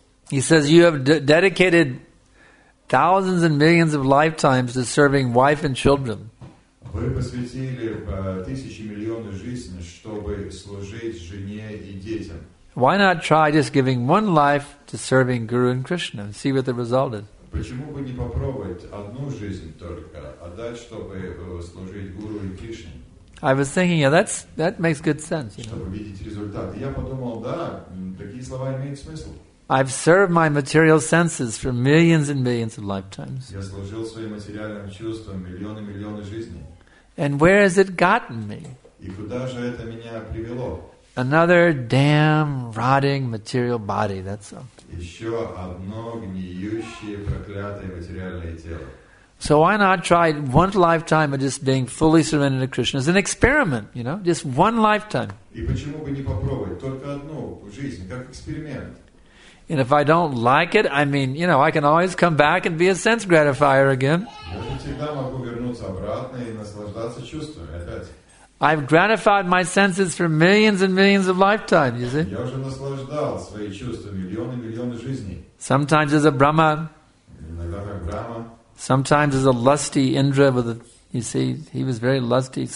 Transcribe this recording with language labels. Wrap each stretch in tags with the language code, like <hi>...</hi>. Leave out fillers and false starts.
<en>He says, you have dedicated thousands and millions of lifetimes to serving wife and children. Why not try just giving one life to serving Guru and Krishna and see what the result is?</en> <ru>Почему бы не попробовать одну жизнь только, а дать, чтобы служить Гуру и Кришне?</ru> <en>I was thinking, yeah, that makes good sense.</en> <ru>Чтобы видеть результат. Я подумал, да, такие слова имеют смысл.</ru> <en>I've served my material senses for millions and millions of lifetimes.</en> <ru>Я служил своим материальным чувствам миллионы и миллионы жизней.</ru> <en>And where has it gotten me?</en> <ru>И куда же это меня привело?</ru> <en>Another damn rotting material body, that's all.</en> <ru>Еще одно гниющее, проклятое материальное тело.</ru> <en>So why not try one lifetime of just being fully surrendered to Krishna? It's an experiment, you know, just one lifetime.</en> <ru>И почему бы не попробовать только одну жизнь, как эксперимент?</ru> <en>And if I don't like it, I mean, you know, I can always come back and be a sense gratifier again.</en> <ru>Я всегда могу вернуться обратно и наслаждаться чувствами опять.</ru> <en>I've gratified my senses for millions and millions of lifetimes, you see.</en> <ru>Я уже наслаждал свои чувства миллионы и миллионы жизней.</ru> <en>Sometimes as a Brahma.</en> <ru>Иногда как Брама.</ru> <en>Sometimes as a lusty Indra with a, you see, he was very lusty.</en>